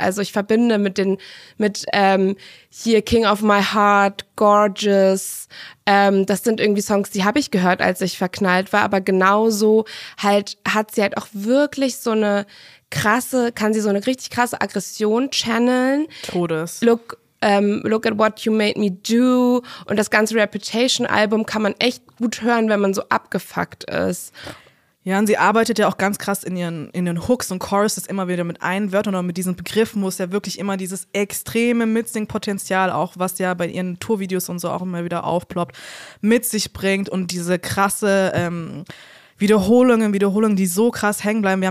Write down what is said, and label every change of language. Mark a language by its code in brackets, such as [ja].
[de] Also ich verbinde mit hier King of My Heart, Gorgeous. Das sind irgendwie Songs, die habe ich gehört, als ich verknallt war. Aber genauso halt hat sie halt auch wirklich so eine krasse, kann sie so eine richtig krasse Aggression channeln. Todes. [en] Look at what you made me do. [de] Und das ganze Reputation-Album kann man echt gut hören, wenn man so abgefuckt ist. Ja, und sie arbeitet ja auch ganz krass in ihren Hooks und Choruses immer wieder mit einem Wörtern oder mit diesen Begriffen, wo es ja wirklich immer dieses extreme Mitsing-Potenzial auch, was ja bei ihren Tourvideos und so auch immer wieder aufploppt, mit sich bringt und diese krasse Wiederholungen, die so krass hängen bleiben.